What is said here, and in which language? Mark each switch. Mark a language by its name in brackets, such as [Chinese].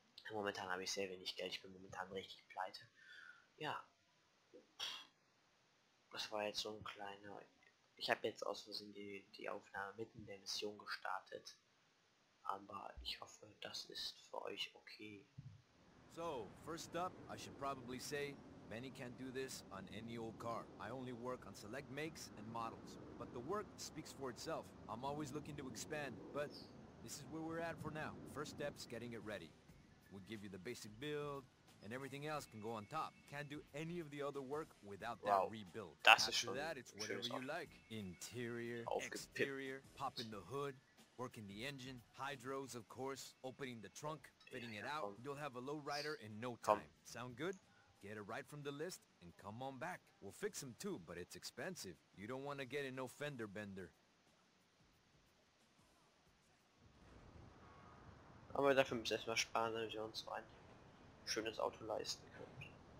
[German] Momentan habe ich sehr wenig Geld. Ich bin momentan richtig pleite. Ja. Das war jetzt so ein kleiner... Ich habe jetzt aus Versehen die Aufnahme mitten der Mission gestartet. Aber ich hoffe, das ist für euch okay. [English] So, first up, I should probably say... Benny can't do this on any old car. I only work on select makes and models. But the work speaks for itself. I'm always looking to expand, but this is where we're at for now. First step's getting it ready. We give you the basic build, and everything else can go on top. Can't do any of the other work without that rebuild. [German] Das [English] After [German] ist schon [English] that, it's whatever you like. Interior, exterior, popping the hood, working the engine, hydros, of course, opening the trunk, fitting it out. You'll have a low rider in no time. Sound good? Get it right from the list and come on back. We'll fix them too, but it's expensive. You don't want to get in no fender bender. [German] Aber dafür müssen wir erstmal sparen, damit wir uns so ein schönes Auto leisten können.